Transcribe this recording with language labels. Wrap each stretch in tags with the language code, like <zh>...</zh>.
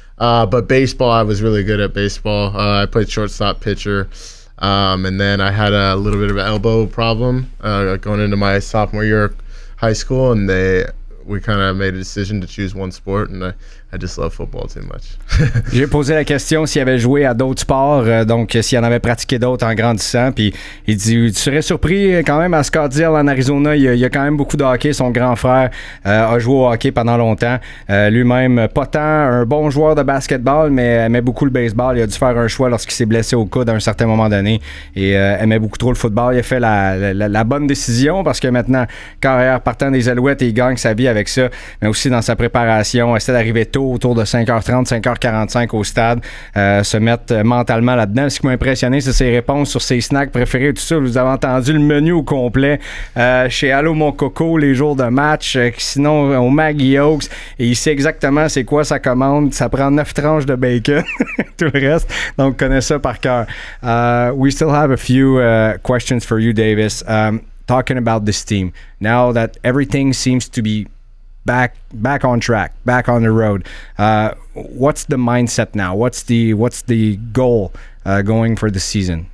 <en>But baseball, I was really good at baseball. I played shortstop, pitcher. And then I had a little bit of an elbow problem going into my sophomore year of high school, and we kind of made a decision to choose one sport, and I just love football too much.</en> <fr>J'ai posé la question s'il avait joué à d'autres sports, donc s'il en avait pratiqué d'autres en grandissant, puis il dit, tu serais surpris quand même à Scottsdale en Arizona, il y a quand même beaucoup de hockey, son grand frère a joué au hockey pendant longtemps, lui-même pas tant un bon joueur de basketball, mais aimait beaucoup le baseball, il a dû faire un choix lorsqu'il s'est blessé au coude à un certain moment donné, et aimait beaucoup trop le football, il a fait la bonne décision, parce que maintenant, carrière partant des Alouettes, il gagne sa vie avec ça, mais aussi dans sa préparation, essaie d'arriver tôt, autour de 5h30, 5h45 au stade, se mettre mentalement là-dedans. Ce qui m'a impressionné, c'est ses réponses sur ses snacks préférés et tout ça. Vous avez entendu le menu au complet chez Allô Mon Coco les jours de match, sinon au Maggie Oaks, et il sait exactement c'est quoi sa commande. Ça prend 9 tranches de bacon, tout le reste. Donc, connais ça par cœur.</fr> <en>We still have a few questions for you, Davis. Talking about this team, now that everything seems to be back on track, back on the road, what's the mindset now? What's the goal going for the season?</en>